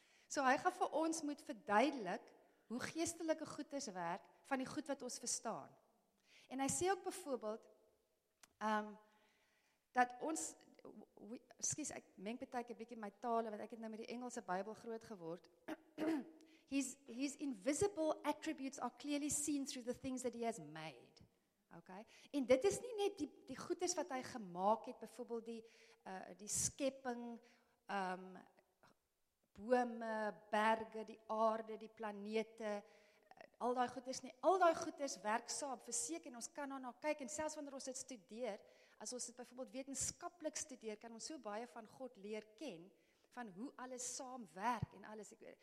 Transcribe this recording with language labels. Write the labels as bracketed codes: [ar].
[af] So hy gaan vir ons moet verduidelik, hoe geestelike goeders werk, van die goed wat ons verstaan. En hy sê ook byvoorbeeld, dat ons, excuse, ek meng betek 'n bietjie my tale, want ek het nou met die Engelse Bybel groot geword. [en] His invisible attributes are clearly seen through the things that he has made. Okay? [af] En dit is nie net die goeders wat hy gemaak het, byvoorbeeld die skepping, bome, berge, die aarde, die planete, al daai goeders nie. Al daai goeders werk saam, verseker, en ons kan daarna kyk, en selfs wanneer ons dit studeer, as ons dit byvoorbeeld wetenskaplik studeer, kan ons so baie van God leer ken, van hoe alles saam werk en alles.